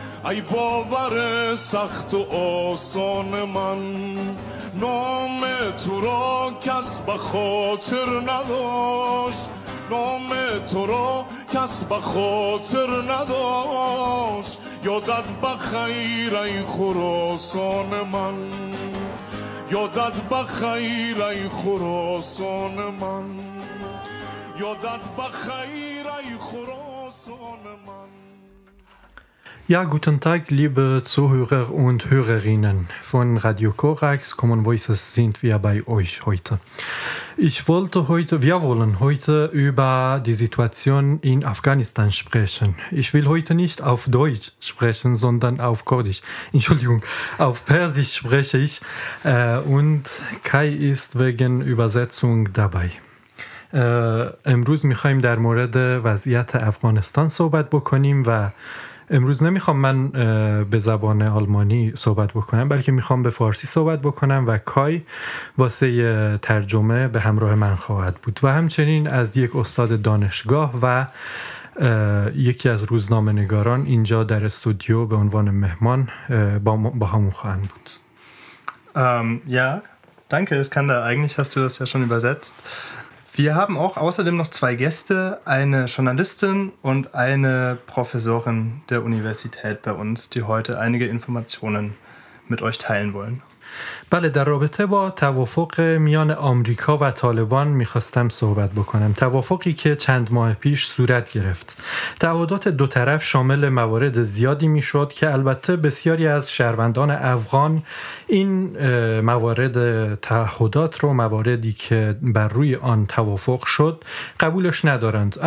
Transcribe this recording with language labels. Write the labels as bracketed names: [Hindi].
[Persian] ای باور سخت و آسان من نام تو را کس بخاطر نداشت نام تو را کس بخاطر نداشت یادت بخیر ای خراسان من یادت بخیر ای خراسان من یادت بخیر ای خراسان من. [German] Ja, guten Tag, liebe Zuhörer und Hörerinnen von Radio Korax. Common Voices sind wir bei euch heute. Wir wollen heute über die Situation in Afghanistan sprechen. Ich will heute nicht auf Deutsch sprechen, sondern auf Kurdisch. Entschuldigung, auf Persisch spreche ich. Und Kai ist wegen Übersetzung dabei. [Persian] امروز میخوایم در مورد وضعیت افغانستان صحبت بکنیم و امروز نمیخوام من به زبان آلمانی صحبت بکنم بلکه میخوام به فارسی صحبت بکنم و کای واسه ترجمه به همراه من خواهد بود و همچنین از یک استاد دانشگاه و یکی از روزنامه نگاران اینجا در استودیو به عنوان مهمان با همون خواهند بود. [German] Ja, danke Iskander, eigentlich hast du das ja schon übersetzt. Wir haben auch außerdem noch zwei Gäste, eine Journalistin und eine Professorin der Universität bei uns, die heute einige Informationen mit euch teilen wollen. [Persian] بله در رابطه با توافق میان آمریکا و طالبان می‌خواستم صحبت بکنم. توافقی که چند ماه پیش صورت گرفت. تعهدات دو طرف شامل موارد زیادی می‌شد که البته بسیاری از شهروندان افغان این موارد تعهدات رو مواردی که بر روی آن توافق شد قبولش ندارند.